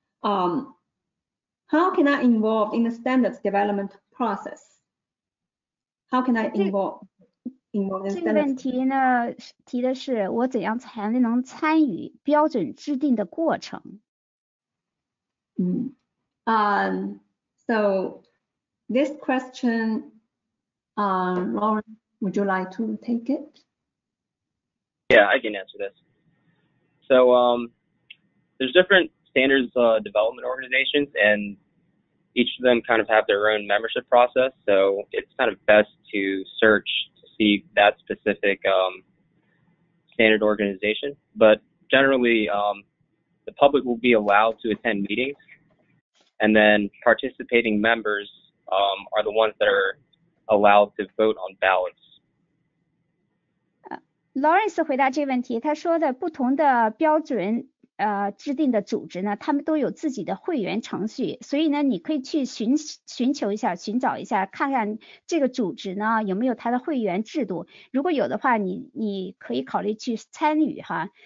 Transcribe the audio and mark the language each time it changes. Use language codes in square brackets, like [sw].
[en] How can I involve in the standards development process? How can I involve in the standards? [zh] 这个问题呢，提的是我怎样才能参与标准制定的过程。 [en] So this question, Lauren, would you like to take it? Yeah, I can answer this. So there's different standards development organizations, and each of them kind of have their own membership process. So it's kind of best to search to see that specific standard organization. But generally, the public will be allowed to attend meetings, and then participating members are the ones that are allowed to vote on ballots. [zh] Lawrence 回答这个问题，他说的不同的标准制定的组织呢，他们都有自己的会员程序，所以呢你可以去寻找一下看看这个组织呢有没有他的会员制度，如果有的话你可以考虑去参与哈。